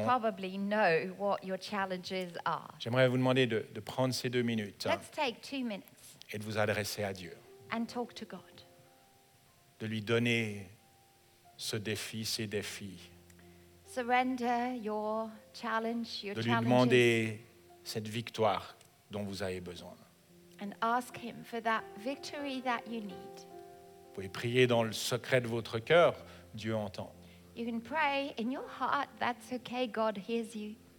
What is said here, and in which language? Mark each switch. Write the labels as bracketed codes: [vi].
[en] You probably know what your challenges are. [fr] J'aimerais vous demander de prendre ces 2 minutes. [en] Let's take 2 minutes. [fr] Et de vous adresser à Dieu. [en] And talk to God. [fr] De lui donner ce défi, ces défis. [en] Surrender your challenge, your [fr] de lui demander cette victoire dont vous avez besoin. [en] And ask him for that victory that you need. [fr] Vous pouvez prier dans le secret de votre cœur, Dieu entend. [en] You can pray in your heart, that's okay, God hears you.